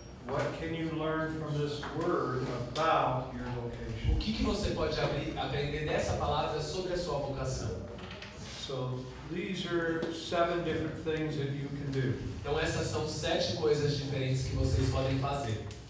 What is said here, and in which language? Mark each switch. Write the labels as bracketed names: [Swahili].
[English] What can you learn from this word about your vocation? [Portuguese] O que você pode aprender dessa palavra sobre a sua vocação? [English] So these are 7 different things that you can do. [Portuguese] Então essas são 7 coisas diferentes que vocês podem fazer.